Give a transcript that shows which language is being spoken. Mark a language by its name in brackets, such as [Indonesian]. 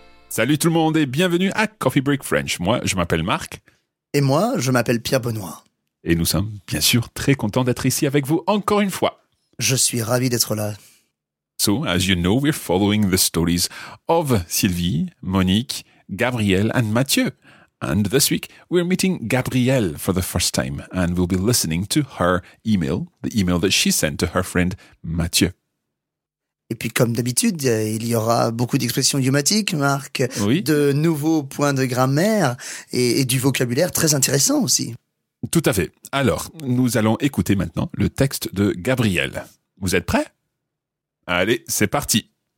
[French] Salut tout le monde et bienvenue à Coffee Break French. Moi, je m'appelle Marc. Et moi, je m'appelle Pierre Benoît. Et nous sommes, bien sûr, très contents d'être ici avec vous encore une fois. Je suis ravi d'être là. [English] So, as you know, we're following the stories of Sylvie, Monique, Gabrielle and Mathieu. And this week, we're meeting Gabrielle for the first time and we'll be listening to her email, the email that she sent to her friend Mathieu. [French] Et puis, comme d'habitude, il y aura beaucoup d'expressions idiomatiques, Marc, oui. De nouveaux points de grammaire et du vocabulaire très intéressant aussi. Tout à fait. Alors, nous allons écouter maintenant le texte de Gabrielle. Vous êtes prêts? Allez, c'est parti.